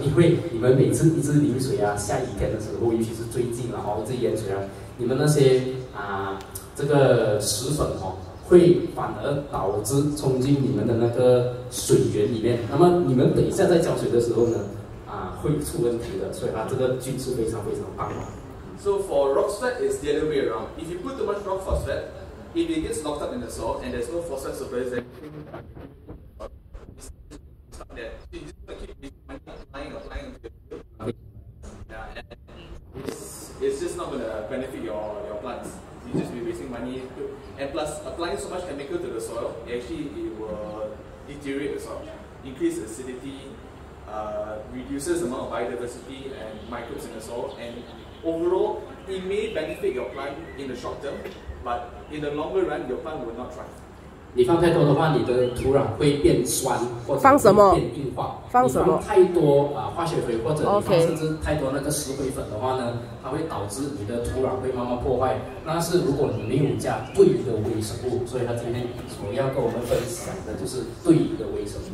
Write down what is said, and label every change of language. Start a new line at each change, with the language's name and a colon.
Chinese: 因为你们每次一直淋水啊，下雨天的时候，尤其是最近了哈，这淹水啊，你们那些这个石粉哦，会反而导致冲进你们的那个水源里面。那么你们等一下在浇水的时候呢？会出问题的，所以它这个菌是非常非常棒的。
English: So for rock phosphate is the other way around. If you put too much rock phosphate, if it gets locked up in the soil and there's no phosphate surface, it's just not gonna benefit your plants. You just be wasting money. And plus, applying so much chemical to the soil, actually it will deteriorate the soil, increase acidity. Reduces the amount of biodiversity and microbes in the soil, and overall, it may benefit your plant in the short term, but in the longer run, your plant will not thrive.
Chinese: 你放太多的话，你的土壤会变酸，或者放什么变硬化。放什么？你放太多化学肥，或者你放甚至太多那个石灰粉的话呢，它会导致你的土壤会慢慢破坏。那是如果你没有加对的微生物，所以他今天所要跟我们分享的就是对的微生物。